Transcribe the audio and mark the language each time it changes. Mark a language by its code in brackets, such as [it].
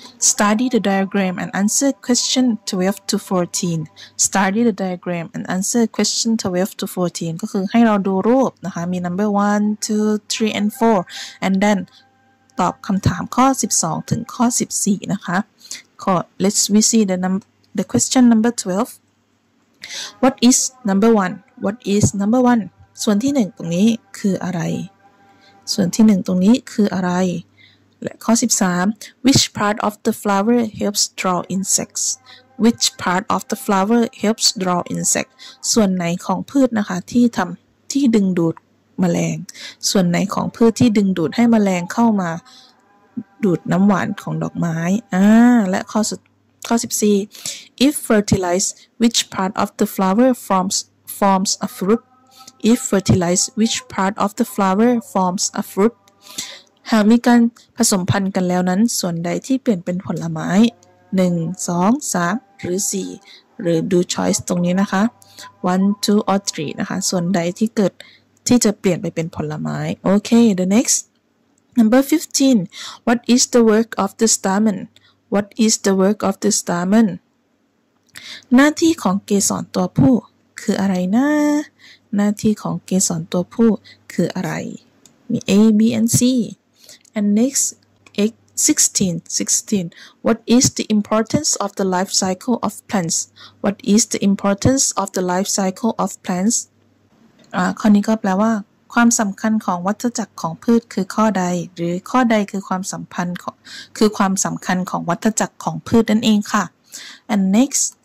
[en] study the diagram and answer question 12 to 14 study the diagram and answer question 12 to 14 [th] ก็คือให้เราดูรูปนะคะมี [en] number 1 2 3 and 4 and then [th] ตอบคำถามข้อ12ถึงข้อ14นะคะ [en] let's we see the question number 12What is number one? What is number one? [th] ส่วนที่หนึ่งตรงนี้คืออะไรส่วนที่หนึ่งตรงนี้คืออะไรและข้อ13 [en] Which part of the flower helps draw insects? Which part of the flower helps draw insects? [th] ส่วนไหนของพืชนะคะที่ทำที่ดึงดูดแมลงส่วนไหนของพืชที่ดึงดูดให้แมลงเข้ามา ดูดน้ำหวานของดอกไม้และข้อ14 [en] If fertilized which part of the flower forms a fruit If fertilized which part of the flower forms a fruit [th] หากมีการผสมพันธุ์กันแล้วนั้นส่วนใดที่เปลี่ยนเป็นผลไม้ [en] 1 2 3 [th] หรือ4หรือดู [en] choice [th] ตรงนี้นะคะ [en] 1 2 or 3 [th] นะคะส่วนใดที่เกิดที่จะเปลี่ยนไปเป็นผลไม้โอเค [en] the next number 15 What is the work of the stamenWhat is the work of the stamen? [th] หน้าที่ของเกสรตัวผู้คืออะไรนะหน้าที่ของเกสรตัวผู้คืออะไรมี [en] A, B, and C. And next, 16. What is the importance of the life cycle of plants? What is the importance of the life cycle of plants? [th] ข้อนี้ก็แปลว่าความสำคัญของวัฏจักรของพืชคือข้อใดหรือข้อใดคือความสัมพันธ์ของคือความสำคัญของวัฏจักรของพืชนั่นเองค่ะ [en] and next